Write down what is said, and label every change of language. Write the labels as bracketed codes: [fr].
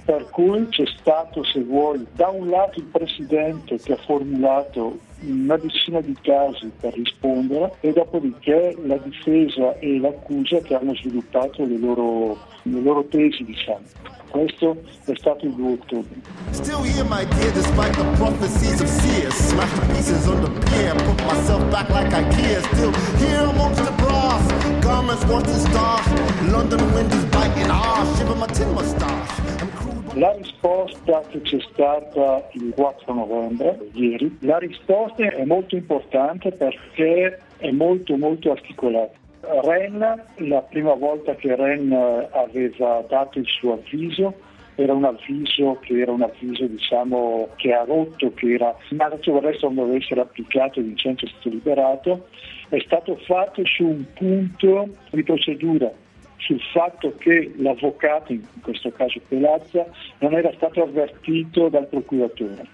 [it] Per cui c'è stato, se vuoi, da un lato il presidente che ha formulato una decina di casi per rispondere, e dopodiché la difesa e l'accusa che hanno sviluppato le loro tesi, diciamo. Questo è stato il 2 ottobre. [en] Still here, my dear, despite the prophecies of seers. Smash the pieces on the pier, put myself back like IKEA. Still here amongst the brass, garments worth the stars. London wind is biting hard, shiver my tin mustache. [it] La risposta che c'è stata il 4 novembre, ieri, la risposta è molto importante perché è molto molto articolata. Ren, la prima volta che Ren aveva dato il suo avviso, era un avviso che era un avviso, diciamo, che ha rotto, che era ma adesso vorresti non doveva essere applicato, Vincenzo è stato liberato, è stato fatto su un punto di procedura, sul fatto che l'avvocato, in questo caso Pelazza, non era stato avvertito dal procuratore.